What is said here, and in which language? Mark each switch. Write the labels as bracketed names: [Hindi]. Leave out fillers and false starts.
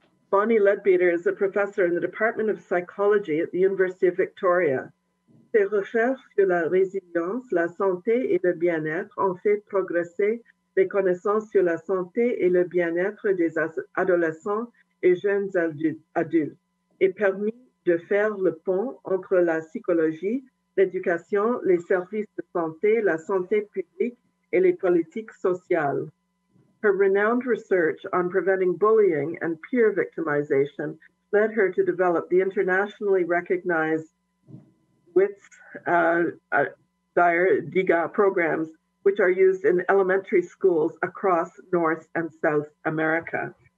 [English] Bonnie Leadbeater is a professor in the Department of Psychology at the University of Victoria. [French] Ses recherches sur la résilience, la santé et le bien-être ont fait progresser les connaissances sur la santé et le bien-être des adolescents et jeunes adultes et permis de faire le pont entre la psychologie, l'éducation, les services de santé, la santé publique et les politiques sociales. [English] Her renowned research on preventing bullying and peer victimization led her to develop the internationally recognized WITS DIGA programs, which are used in elementary schools across North and South America.